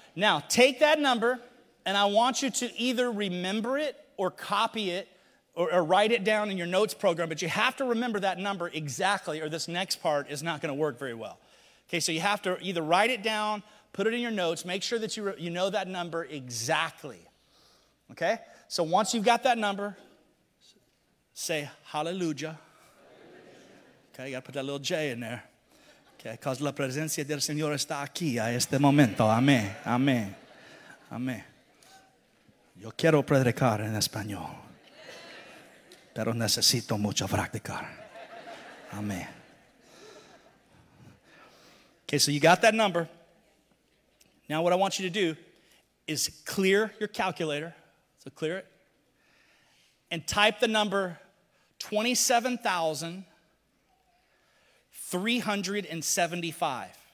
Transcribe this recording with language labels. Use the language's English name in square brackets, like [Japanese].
[English] Now, take that number, and I want you to either remember it or copy it or write it down in your notes program, but you have to remember that number exactly or this next part is not going to work very well. Okay, so you have to either write it down, put it in your notes. Make sure that you know that number exactly. Okay? So once you've got that number, say hallelujah. Okay? You got to put that little J in there. Okay? Because [Spanish] la presencia del Señor está aquí a este momento. Amén. Amén. Amén. Yo quiero predicar en español. Pero necesito mucho practicar. Amén. [English] Okay, so you got that number. Now what I want you to do is clear your calculator. So clear it. And type the number 27,375.